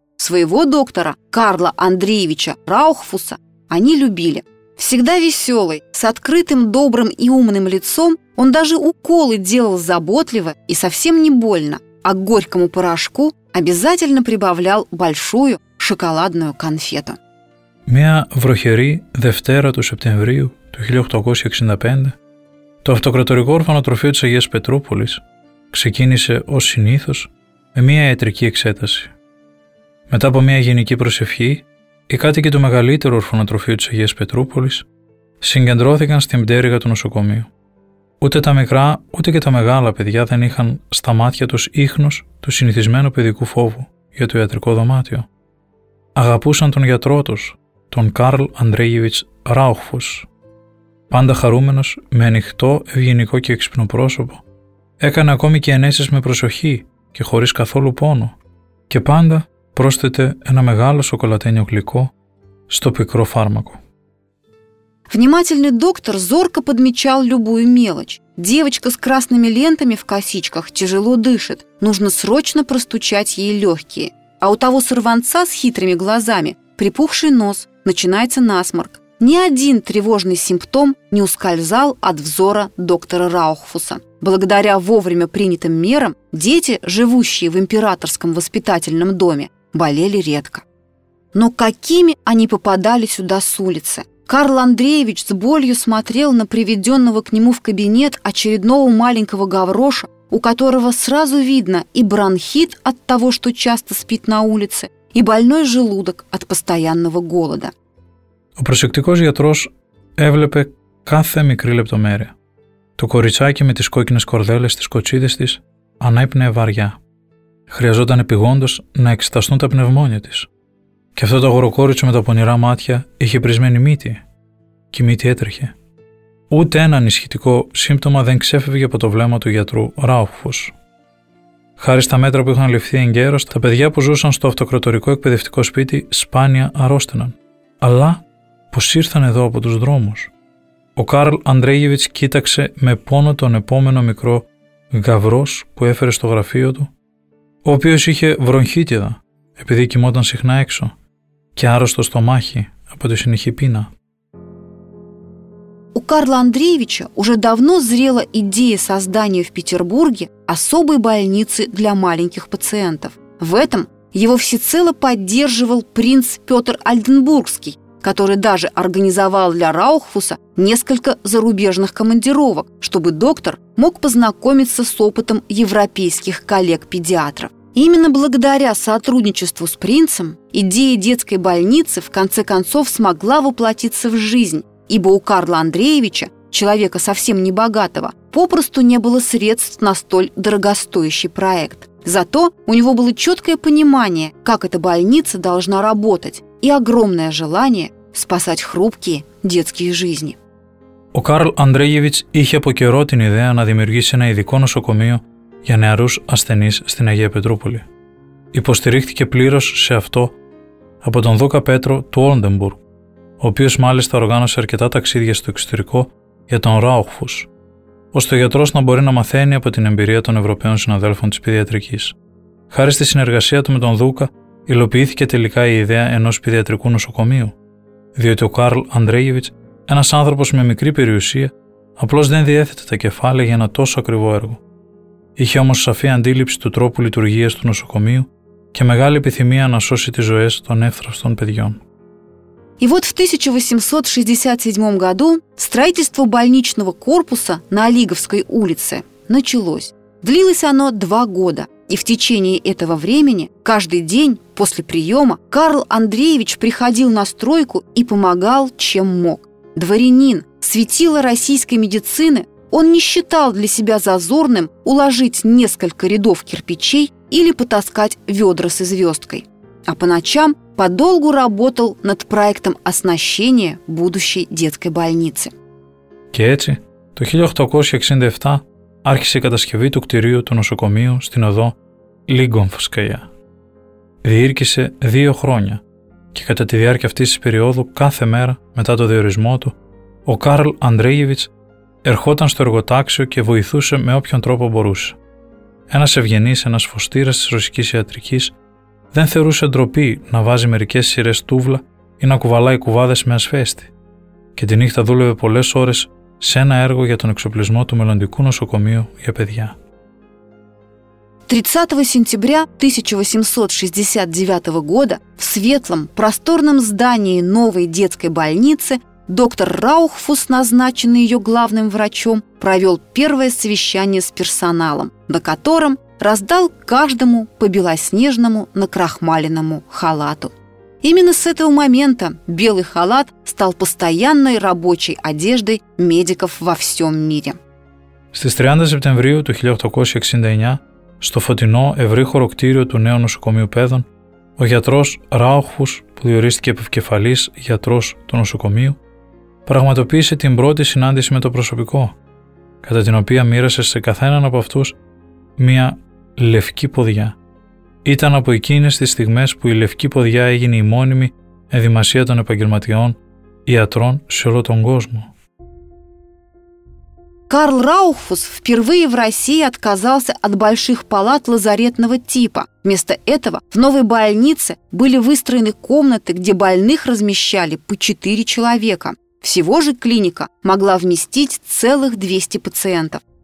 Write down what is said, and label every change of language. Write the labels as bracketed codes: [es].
[ru] Своего доктора, Карла Андреевича Раухфуса, они любили. Всегда веселый, с открытым, добрым и умным лицом, он даже уколы делал заботливо и совсем не больно, а к горькому порошку обязательно прибавлял большую шоколадную конфету. [el] Мя врохеры дефтера ту септемврию ту 1865 то автократорико орфано трофею της Αγίας Πετρούπολης ξεκίνησε ως συνήθως με μια ιατρική εξέταση. Μετά από μια γενική προσευχή, οι κάτοικοι του μεγαλύτερου ορφανοτροφείου της Αγίας Πετρούπολης συγκεντρώθηκαν στην πτέρυγα του νοσοκομείου. Ούτε τα μικρά, ούτε και τα μεγάλα παιδιά δεν είχαν στα μάτια τους ίχνος του συνηθισμένου παιδικού φόβου για το ιατρικό δωμάτιο. Αγαπούσαν τον γιατρό τους, τον Κάρλ Ανδρέγεβιτς Ράουχφους. Πάντα χαρούμενος, με ανοιχτό, ευγενικό και έξυπνο πρόσωπο, έκανε ακόμη και ενέσεις με προσοχή και χωρίς καθόλου πόνο, και πάντα πρόσθεται ένα μεγάλο σοκολατένιο γλυκό στο πικρό φάρμακο. [ru] Внимательный доктор зорко подмечал любую мелочь. Девочка с красными лентами в косичках тяжело дышит. Нужно срочно простучать ей легкие. А у того сорванца с хитрыми глазами припухший нос, начинается насморк. Ни один тревожный симптом не ускользал от взора доктора Раухфуса. Благодаря вовремя принятым мерам, дети, живущие в императорском воспитательном доме, болели редко. Но какими они попадали сюда с улицы? Карл Андреевич с болью смотрел на приведенного к нему в кабинет очередного маленького гавроша, у которого сразу видно и бронхит от того, что часто спит на улице, и больной желудок от постоянного голода. [el] Ο προσεκτικός γιατρός έβλεπε κάθε μικρή λεπτομέρεια. Το κοριτσάκι με τις κόκκινες κορδέλες στις κοτσίδες της ανάπνεε βαριά. Χρειαζόταν επειγόντως να εξεταστούν τα πνευμόνια της. Και αυτό το αγοροκόριτσο με τα πονηρά μάτια είχε πρισμένη μύτη. Και η μύτη έτρεχε. Ούτε ένα ανησυχητικό σύμπτωμα δεν ξέφευγε από το βλέμμα του γιατρού Ράουφους. Χάρη στα μέτρα που είχαν ληφθεί εγκαίρως, τα παιδιά που ζούσαν στο αυτοκρατορικό εκπαιδευτικό σπίτι σπάνια αρρώστηναν. Αλλά πως ήρθαν εδώ από τους δρόμους. Ο Κάρλ Ανδρέγεβιτς κοίταξε με πόνο τον επόμενο μικρό γαβρός που έφερε στο γραφείο του, ο οποίος είχε βρονχίτιδα επειδή κοιμόταν συχνά έξω και άρρωστο στομάχι από τη συνεχή πείνα. [ru] У Карла Андреевича уже давно зрела идея создания в Петербурге особой больницы для маленьких пациентов. В этом его всецело поддерживал принц Петр Альденбургский, который даже организовал для Раухфуса несколько зарубежных командировок, чтобы доктор мог познакомиться с опытом европейских коллег-педиатров. Именно благодаря сотрудничеству с принцем идея детской больницы в конце концов смогла воплотиться в жизнь, ибо у Карла Андреевича, человека совсем небогатого, попросту не было средств на столь дорогостоящий проект. Зато у него было четкое понимание, как эта больница должна работать, и огромное желание спасать хрупкие детские жизни. [el] Ο Карλ Ανδρέγεβιτς είχε από καιρό την ιδέα να δημιουργήσει ένα ειδικό νοσοκομείο για νεαρούς ασθενείς στην Αγία Πετρούπολη. Υποστηρίχθηκε πλήρως σε αυτό από τον Δούκα Πέτρο του Όλντεμπουργκ, ο οποίος μάλιστα οργάνωσε αρκετά ταξίδια στο εξωτερικό για τον Ράουχφους, ώστε ο γιατρός να μπορεί να μαθαίνει από την εμπειρία των Ευρωπαίων συναδέλφων της παιδιατρικής. Χάρη στη συνεργασία του με τον Δούκα, υλοποιήθηκε τελικά η ιδέα ενός παιδιατρικού νοσοκομείου, διότι ο Κάρλ Ανδρέγεβιτς, ένας άνθρωπος με μικρή περιουσία, απλώς δεν διέθετε τα κεφάλαια για ένα τόσο ακριβό έργο. Είχε όμως σαφή αντίληψη του τρόπου λειτουργίας του νοσοκομείου και μεγάλη επιθυμία να σώσει τις ζωές των εύθραυστων παιδιών. [ru] И вот в 1867 году строительство больничного корпуса на Олиговской улице началось. Длилось оно 2 года, и в течение этого времени каждый день после приема Карл Андреевич приходил на стройку и помогал, чем мог. Дворянин, светило российской медицины, он не считал для себя зазорным уложить несколько рядов кирпичей или потаскать ведра с звездкой. А по ночам подолгу работал над проектом оснащения будущей детской больницы. [el] Και έτσι, το 1867 άρχισε η κατασκευή του κτηρίου του νοσοκομείου στην οδό Λίγκομφσκαγιά. Διήρκησε 2 χρόνια και κατά τη διάρκεια αυτής της περίοδου κάθε μέρα μετά το διορισμό του ο Κάρλ Αντρέγεβιτς ερχόταν στο εργοτάξιο και βοηθούσε με όποιον τρόπο μπορούσε. Ένας ευγενής, ένας φωστήρας της ρωσικής ιατρικής δεν θεωρούσε ντροπή να βάζει μερικές σειρές τούβλα ή να κουβαλάει κουβάδες με ασβέστη και τη νύχτα δούλευε πολλές ώρες σε ένα έργο για τον εξοπλισμό του μελλοντικού νοσοκομείου για παιδιά. [ru] 30 сентября 1869 года в светлом, просторном здании новой детской больницы доктор Раухфус, назначенный ее главным врачом, провел первое совещание с персоналом, на котором раздал каждому по белоснежному накрахмаленному халату. Именно с этого момента белый халат стал постоянной рабочей одеждой медиков во всем мире. [el] Στις 30 Σεπτεμβρίου του 1869, στο φωτεινό ευρύχωρο κτίριο του νέου νοσοκομείου Πέδων, ο γιατρός Ράουχους, που διορίστηκε επικεφαλής γιατρός του νοσοκομείου, πραγματοποίησε την πρώτη συνάντηση με το προσωπικό, κατά την οποία μοίρασε σε καθέναν από αυτούς μία λευκή ποδιά. Ήταν από εκείνες τις στιγμές που η λευκή ποδιά έγινε η μόνιμη ενδυμασία των επαγγελματιών ιατρών σε όλο τον κόσμο. [ru] Карл Раухфус впервые в России отказался от больших палат лазаретного типа. Вместо этого в новой больнице были выстроены комнаты, где больных размещали по 4 человека. Всего же клиника могла вместить целых 200 пациентов.